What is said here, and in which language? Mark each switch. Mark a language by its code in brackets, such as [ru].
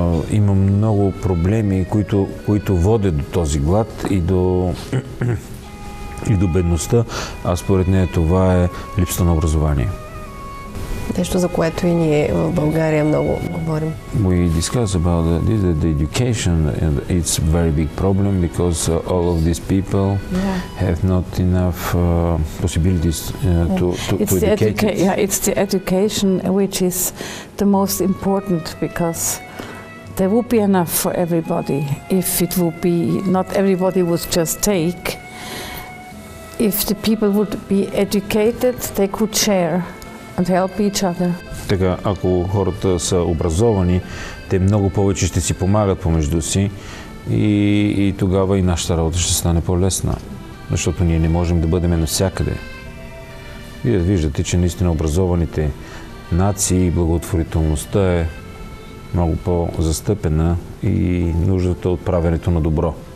[bg] Има много проблеми, които водят до този глад и до бедността, а според нея това е липсата на образование. Нещо, за което и ние в България много говорим. [en] We discuss about this, that the education and it's a very big problem because all of these people have not enough possibilities to educate. It's the education which is the most important because there would be enough for everybody if it would be not everybody would just take. If the people would be educated, they could share. And help each other. [bg] Така, ако хората са образовани, те много повече ще си помагат помежду си и тогава и нашата работа ще стане по-лесна, защото ние не можем да бъдем навсякъде. Вие виждате, че наистина образованите нации и благотворителността е много по-застъпена и нуждата от правенето на добро.